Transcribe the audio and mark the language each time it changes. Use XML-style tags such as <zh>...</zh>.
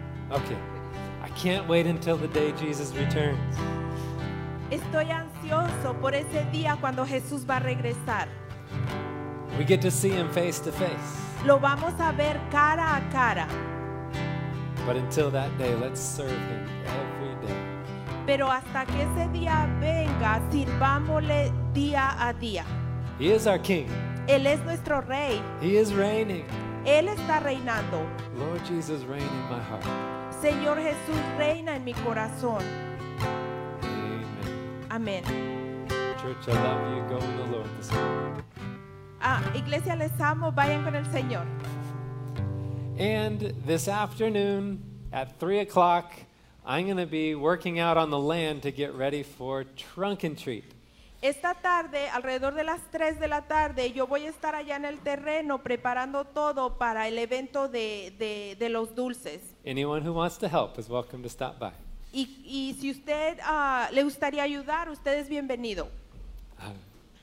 <en>I can't wait until the day Jesus returns.</en> <es>Estoy ansioso por ese día cuando Jesús va a regresar.</es> <en>We get to see him face to face.</en> <es>Lo vamos a ver cara a cara.</es> <en>But until that day, let's serve him every day.</en> <es>Pero hasta que ese día venga, sirvámosle día a día.</es> <en>He is our King.</en> <es>Él es nuestro Rey.</es> <en>He is reigning.</en> <es>Él está reinando.</es> <en>Lord Jesus, reign in my heart.</en> <es>Señor Jesús, reina en mi corazón.</es> <en>Amen.</en> <es>Amen.</es> <en>Church, I love you. Go in the Lord this morning.</en> <es>Iglesia, les amo. Vayan con el Señor.</es> <en>And this afternoon at 3 o'clock, I'm going to be working out on the land to get ready for Trunk and Treat.</en> <es>Esta tarde, alrededor de las 3 de la tarde, yo voy a estar allá en el terreno preparando todo para el evento de los dulces.</es> <en>Anyone who wants to help is welcome to stop by.</en> <es>Y si usted le gustaría ayudar, usted es bienvenido.</es>